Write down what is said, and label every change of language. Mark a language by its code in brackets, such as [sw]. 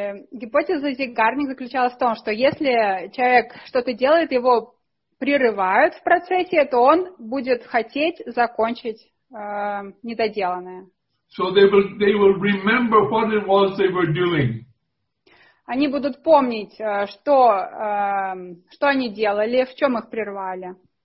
[ru] Гипотеза Зейгарник заключалась в том, что если человек что-то делает, его прерывают в процессе, то он будет хотеть закончить недоделанное. [en] So they will remember what it was they were doing. [ru] Они будут помнить, что они делали, в чем их прервали.